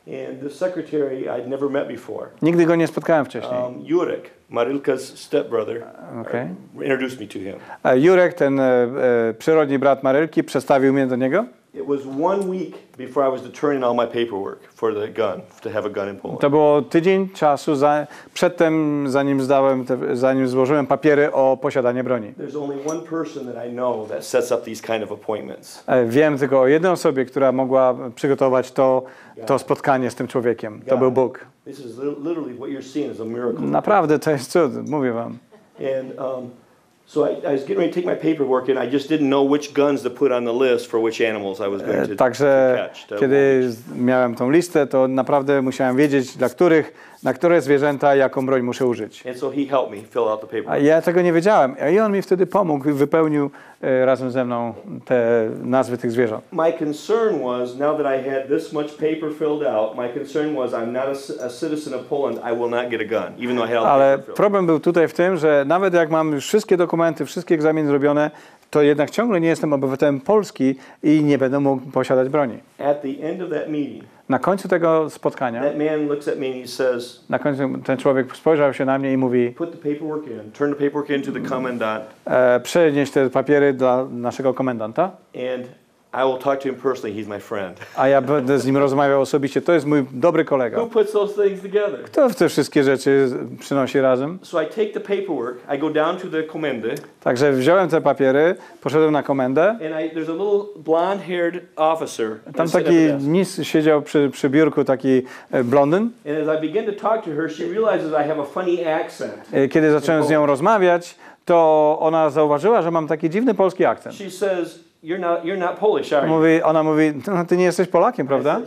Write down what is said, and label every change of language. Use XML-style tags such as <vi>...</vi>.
<en>And the secretary I'd never met before.</en> <pl>Nigdy go nie spotkałem wcześniej.</pl> <en>Jurek, Marilka's stepbrother, okay. Introduced me to him.</en> <pl>Jurek, ten przyrodni brat Marilki, przedstawił mnie do niego.</pl> <en>It was 1 week before I was to turn in all my paperwork for the gun, to have a gun in Poland.</en> <pl>To było tydzień czasu przedtem, zanim złożyłem papiery o posiadanie broni.</pl> <en>There's only one person that I know that sets up these kind of appointments.</en> <pl>Wiem tylko o jednej osobie, która mogła przygotować to spotkanie z tym człowiekiem. To był Bóg.</pl> <en>This is literally what you're seeing is a miracle.</en> <pl>Naprawdę, to jest cud, mówię wam.</pl> <en>So I was getting ready to take my paperwork and I just didn't know which guns to put on the list for which animals I was going to catch.</en> <pl>Także kiedy miałem tą listę, to naprawdę musiałem wiedzieć, na które zwierzęta jaką broń muszę użyć.</pl> <en>And so he helped me fill out the paperwork.</en> <pl>A ja tego nie wiedziałem. I on mi wtedy pomógł i wypełnił razem ze mną te nazwy tych zwierząt.</pl> <en>My concern was, now that I had this much paper filled out, my concern was I'm not a citizen of Poland, I will not get a gun, even though I had.</en> <pl>Ale problem był tutaj w tym, że nawet jak mam już wszystkie dokumenty, wszystkie egzaminy zrobione, to jednak ciągle nie jestem obywatelem Polski i nie będę mógł posiadać broni.</pl> <en>At the end of that meeting,</en> <pl>na końcu tego spotkania</pl> <en>that man looks at me and he says,</en> <pl>na końcu ten człowiek spojrzał się na mnie i mówi</pl> <en>put the paperwork in, turn the paperwork in to the commandant,</en> <pl>przenieś te papiery dla naszego komendanta</pl> <en>and I will talk to him personally, he's my friend.</en> <pl>A ja będę z nim rozmawiał osobiście, to jest mój dobry kolega.</pl> <en>Who puts those things together?</en> <pl>Kto te wszystkie rzeczy przynosi razem?</pl> <en>So I take the paperwork, I go down to the komendy.</en> <pl>Także wziąłem te papiery, poszedłem na komendę.</pl> <en>And there's a little blonde-haired officer.</en> <pl>Tam taki nis siedział przy biurku, taki blondyn.</pl> <en>And as I begin to talk to her, she realizes I have a funny accent.</en> <pl>Kiedy zacząłem z nią rozmawiać, to ona zauważyła, że mam taki dziwny polski akcent.</pl> <en>She says, You're not Polish, are you?</en> <pl>Ona mówi, no, ty nie jesteś Polakiem, prawda?</pl>